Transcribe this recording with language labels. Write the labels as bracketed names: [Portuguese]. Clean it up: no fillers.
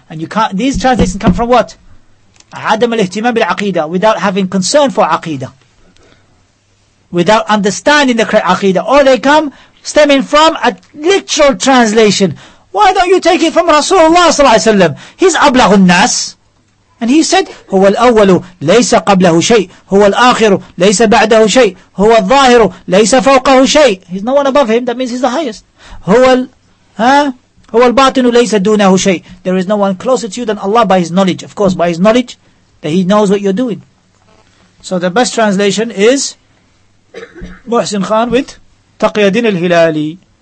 [English] And you can't, these translations come from what? Adam al-ihtimam bil-aqidah. Without having concern for aqidah. Without understanding the correct aqidah. Or they come stemming from a literal translation. Why don't you take it from Rasulullah sallallahu alaihi wasallam? He's ablaghu an-nas. And he said, [Arabic] هو الأول ليس قبله شيء. هو الآخر ليس بعده شيء. هو الظاهر ليس فوقه شيء. [English] He's no one above him. That means he's the highest. [Arabic] هو الباطن ليس دونه شيء. [English] There is no one closer to you than Allah by his knowledge. Of course, by his knowledge, that he knows what you're doing. So the best translation is Muhsin Khan with Taqiyuddin al-Hilali.